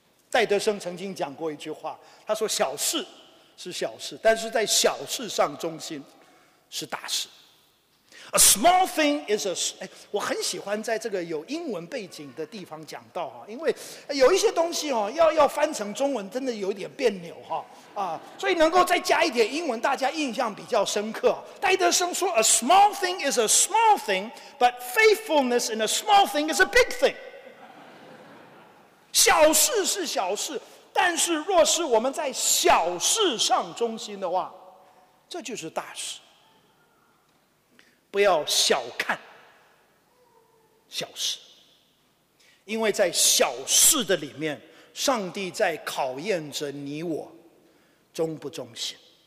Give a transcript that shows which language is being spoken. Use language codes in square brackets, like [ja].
[zh] 戴德生曾经讲过一句话，他说小事是小事，但是在小事上忠心是大事。 [en] A small thing is a... [zh] 我很喜欢在这个有英文背景的地方讲到，因为有一些东西要翻成中文真的有点别扭，所以能够再加一点英文大家印象比较深刻。戴德生说 [en] A small thing is a small thing, but faithfulness in a small thing is a big thing. [zh] 小事是小事，但是若是我们在小事上忠心的话，这就是大事。不要小看小事，因为在小事的里面，上帝在考验着你我忠不忠心。